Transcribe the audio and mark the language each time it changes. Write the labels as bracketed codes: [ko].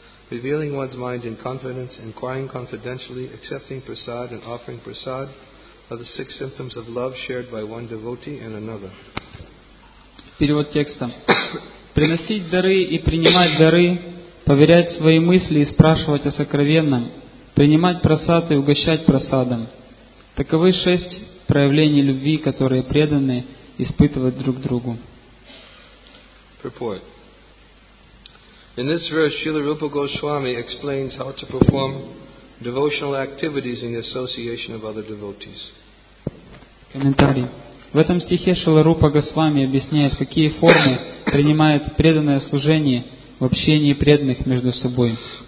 [en] Revealing one's mind in confidence, inquiring confidentially, accepting prasad and offering prasad are the six symptoms of love shared by one devotee and another. [ru] Перевод текста. Приносить дары и принимать дары, поверять свои мысли и спрашивать о сокровенном, принимать прасад и угощать прасадом. Таковы шесть проявлений любви, которые преданные испытывают друг другу. [en] Purport. In this verse, Srila Rupa Goswami explains how to perform devotional activities in the association of other devotees. [ru] Комментарий. В этом стихе Шрила Рупа Госвами объясняет, какие формы принимает преданное служение в общении преданных между собой.